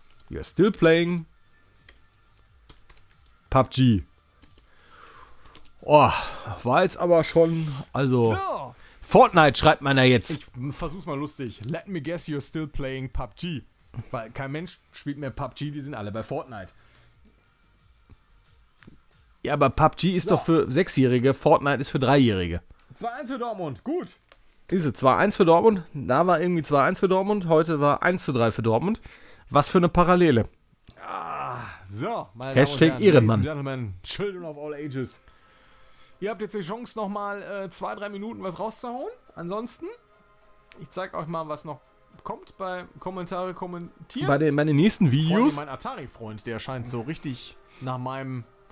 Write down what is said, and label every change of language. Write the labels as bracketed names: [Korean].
[English] You're still playing PUBG. [German] Oh, war jetzt aber schon, also... So. Fortnite schreibt man ja jetzt. Ich versuch's mal lustig. [English] Let me guess, you're still playing PUBG. [German] Weil kein Mensch spielt mehr PUBG, die sind alle bei Fortnite. Ja, aber PUBG ist doch für 6-Jährige, Fortnite ist für 3-Jährige. 2-1 für Dortmund, gut. Ist es, 2-1 für Dortmund, da war irgendwie 2-1 für Dortmund, heute war 1-3 für Dortmund. Was für eine Parallele. Ah, so, meine Hashtag Damen und Herren, [English] Ladies and Gentlemen, Children of all ages. [German] Ihr habt jetzt die Chance, nochmal 2-3 Minuten was rauszuhauen. Ansonsten, ich zeig euch mal, was noch kommt bei Kommentare kommentieren. Bei meinen nächsten Videos. Mein Atari-Freund, der scheint so richtig nach meinem...